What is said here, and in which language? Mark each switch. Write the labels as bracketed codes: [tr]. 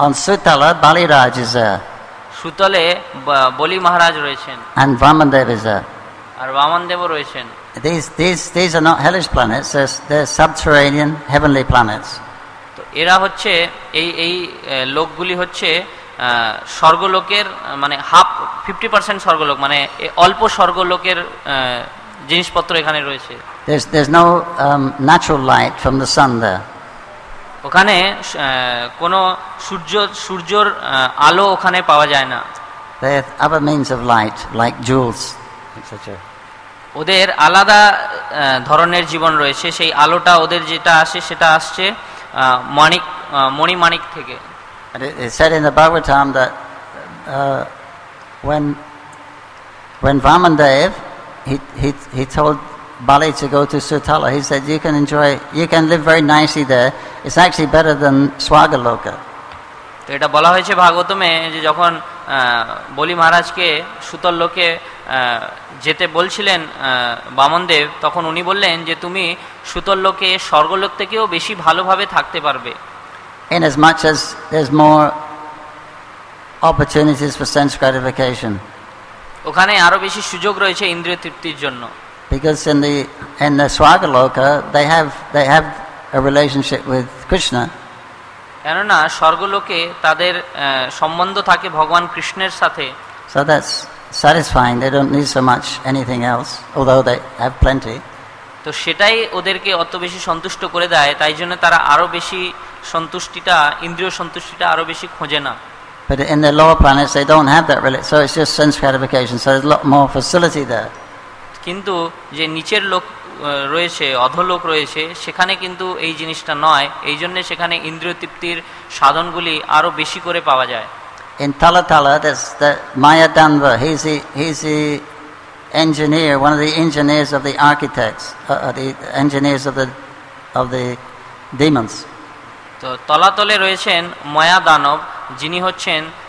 [en] On Sutala, Baliraj is there. [bn] Sutale, Boli Maharaj roichen. [en] And Vamandev is there. [bn] Ar Vamandev-o roichen. [en] These are not hellish planets. They're subterranean, heavenly planets. [bn] To era hocche, ei lokguli hocche স্বর্গলোকের মানে half 50% স্বর্গলোক, মানে অল্প স্বর্গলোকের জিনিসপত্র এখানে রয়েছে। [en] There's no natural light from the sun there. [bn] ওখানে কোনো সূর্যর আলো ওখানে পাওয়া যায় না। [en] There are other means of light like jewels etc. [bn] ওদের আলাদা ধরনের জীবন রয়েছে, সেই আলোটা ওদের যেটা আসে সেটা আসছে মানিক মণি মানিক থেকে। [en] And it is said in the Bhagavatam that when Vamandev he told Bali to go to Sutala, he said you can live very nicely there, it's actually better than Swargaloka. [bn] তো এটা বলা হয়েছে ভাগবতমে যে যখন বলি মহারাজকে সুতল লোকে যেতে বলছিলেন বামনদেব, তখন উনি বললেন যে তুমি সুতল লোকে স্বর্গলোক থেকেও বেশি ভালোভাবে থাকতে পারবে। [en] In as much as there's more opportunities for sense gratification. [bn] ওখানে আরো বেশি সুযোগ রয়েছে ইন্দ্রিয় তৃপ্তির জন্য। [en] Because in the Swargaloka they have a relationship with Krishna. [bn] কেননা স্বর্গলোকে তাদের সম্বন্ধ থাকে ভগবান কৃষ্ণের সাথে। [en] So that's satisfying. They don't need so much anything else, although they have plenty. [bn] তো সেটাই ওদেরকে অত বেশি সন্তুষ্ট করে দেয়, তাই জন্য তারা আরো বেশি সন্তুষ্টিটা ইন্দ্রিয় সন্তুষ্টিটা আরো বেশি খোঁজে না। [en] But in the lower planets they don't have that really, so it's just sense gratification, so there's a lot more facility there. [bn] কিন্তু যে নিচের লোক রয়েছে, অধোলোক রয়েছে, সেখানে কিন্তু এই জিনিসটা নয়, এই জন্য সেখানে ইন্দ্রিয় তৃপ্তির সাধনগুলি আরো বেশি করে পাওয়া যায়। [en] In Talatala there's the Mayadanva, he's the engineer, one of the engineers of the architects, the engineers of the demons. [bn] তো তলাতলে রয়েছেন মায়া দানব, যিনি হচ্ছেন